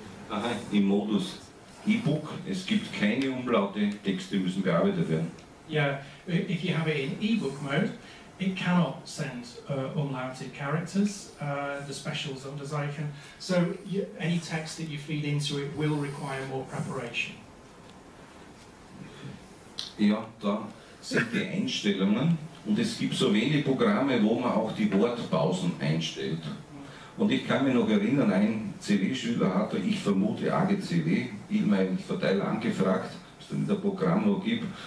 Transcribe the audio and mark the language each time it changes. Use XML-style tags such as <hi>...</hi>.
<de>Aha, im Modus E-Book, es gibt keine Umlaute, Texte müssen bearbeitet werden.</de> <en>Yeah, if you have it in E-Book mode, it cannot send umlauted characters, the specials under Zeichen. So any text that you feed into it will require more preparation.</en> <de>Ja, da sind die Einstellungen und es gibt so wenige Programme, wo man auch die Wortpausen einstellt. Und ich kann mich noch erinnern, ein CW-Schüler hatte, ich vermute AGCW, in meinem Verteiler angefragt, ob es da ein Programm noch gibt.</de>